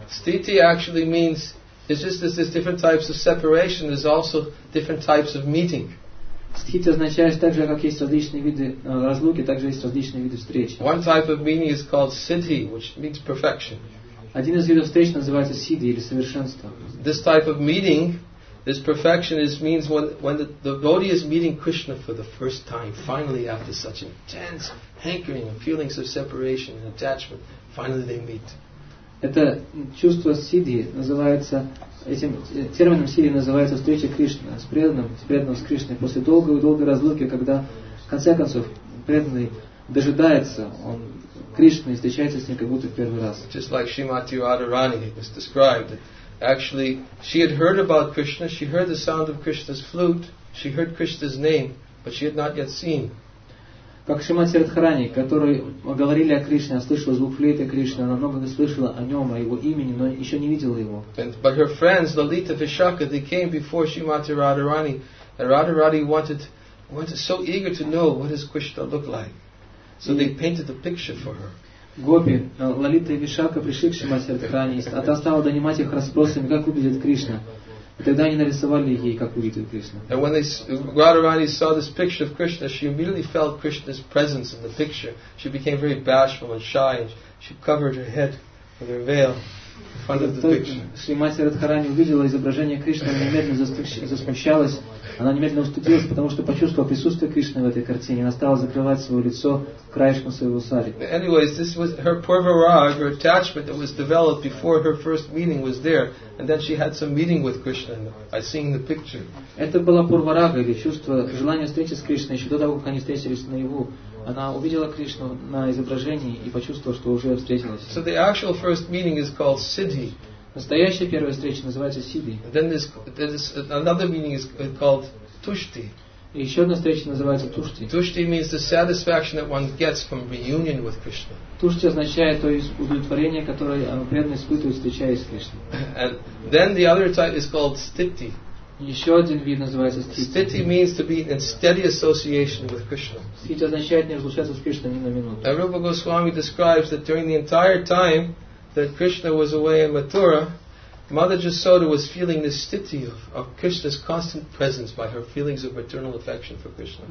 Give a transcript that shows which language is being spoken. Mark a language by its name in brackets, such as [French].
[English] Stikti actually means it's just that there's different types of separation, there's also different types of meeting. [Russian] Стхити означает, что также как есть различные виды разлуки, также есть различные виды встреч. [English] One type of meeting is called siddhi, which means perfection. [Russian] Один из видов встреч называется сиди или совершенство. [English] This type of meeting, this perfection, is means when the devotee is meeting Krishna for the first time, finally after such intense hankering and feelings of separation and attachment, finally they meet. [Russian] Это чувство сиди называется. Этим термином сиди называется встреча Кришны с преданным, с преданным с Кришной после долгой-долгой разлуки, когда в конце концов преданный дожидается, он Кришны и встречается с ним как будто в первый раз. [English] Just like Shrimati Radharani was described, actually she had heard about Krishna, she heard the sound of Krishna's flute, she heard Krishna's name, but she had not yet seen. [Russian] Как Шримати Радхарани, которой говорили о Кришне, она слышала звук флейты Кришны, она много не слышала о нем, о его имени, но еще не видела его. [English] But her friends, Lalita Vishakha, they came before Shrimati Radharani, and Radharani wanted so eager to know what his Krishna looked like. So they painted the picture for her. [Russian] Гопи, Лалита и Вишака пришли к Шримати Радхарани, а та стала донимать их расспросами, как выглядит Кришна. И тогда они нарисовали ей, как увидел Кришна. [English] And when Radharani saw this picture of Krishna, she immediately felt Krishna's presence in the picture. She became very bashful and shy, and she covered her head with her veil in front of the picture. [Russian] Шримати Радхарани увидела изображение Кришны, она немедленно засмущалась, она немедленно устыдилась, потому что почувствовала присутствие Кришны в этой картине. Она стала закрывать свое лицо краешком своего сари. [English] Anyways, this was her purvaraga, her attachment that was developed before her first meeting was there, and then she had some meeting with Krishna by seeing the picture. [Russian] Это была пурварага или чувство, желание встречи с Кришной еще до того, как они встретились наяву. Она увидела Кришну на изображении и почувствовала, что уже встретилась. [English] So the actual first meeting is called siddhi. [Russian] Настоящая первая встреча называется сиди. [English] Then there's another meaning is called tushti. [Russian] И еще одна встреча называется тушти. [English] Tushti means the satisfaction that one gets from reunion with Krishna. [Russian] Тушти означает то есть удовлетворение, которое преданный испытывает, встречаясь с Кришной. [English] And then the other type is called stitti. [Russian] Еще один вид называется стхити. [English] Стхити means to be in steady association with Krishna. [Russian] Стхити означает не разлучаться с Кришной ни на минуту. [English] And Rupa Goswami describes that during the entire time that Krishna was away in Mathura, Mother Jasoda was feeling the sthiti of Krishna's constant presence by her feelings of maternal affection for Krishna.